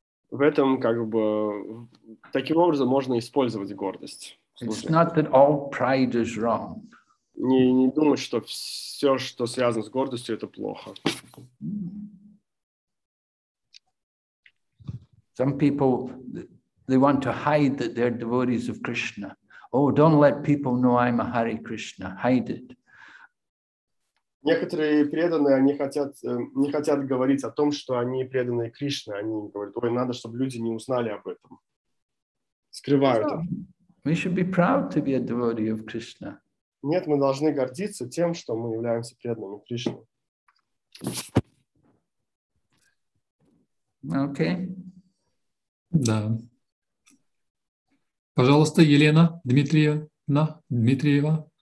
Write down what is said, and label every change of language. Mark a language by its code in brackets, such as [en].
[ru] В этом как бы таким образом можно использовать гордость. [en] It's not that all pride is wrong. [ru] Не думать, что все, что связано с гордостью, это плохо. [en] Some people, they want to hide that they're devotees of Krishna. Oh, don't let people know I'm a Hare Krishna. Hide it. [ru] Некоторые преданные, они хотят, не хотят говорить о том, что они преданные Кришне. Они говорят, ой, надо, чтобы люди не узнали об этом. Скрывают. [en] We should be proud to be a devotee of Krishna. [ru] Нет, мы должны гордиться тем, что мы являемся преданными Кришне. [en] Okay. [ru] Да. Пожалуйста, Елена Дмитриева.